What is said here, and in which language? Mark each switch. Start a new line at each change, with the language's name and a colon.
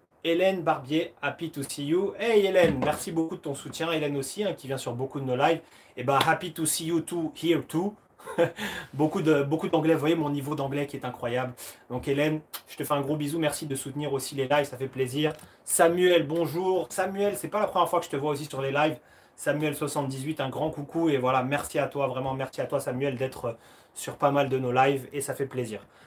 English: Hélène Barbier, happy to see you.
French: Hey Hélène, merci beaucoup de ton soutien. Hélène aussi, hein, qui vient sur beaucoup de nos lives.
English: Et bah, happy to see you too, here too.
French: beaucoup d'anglais, vous voyez mon niveau d'anglais qui est incroyable. Donc Hélène, je te fais un gros bisou. Merci de soutenir aussi les lives, ça fait plaisir. Samuel, bonjour. Samuel, c'est pas la première fois que je te vois aussi sur les lives. Samuel78, un grand coucou. Et voilà, merci à toi, vraiment merci à toi Samuel d'être sur pas mal de nos lives. Et ça fait plaisir.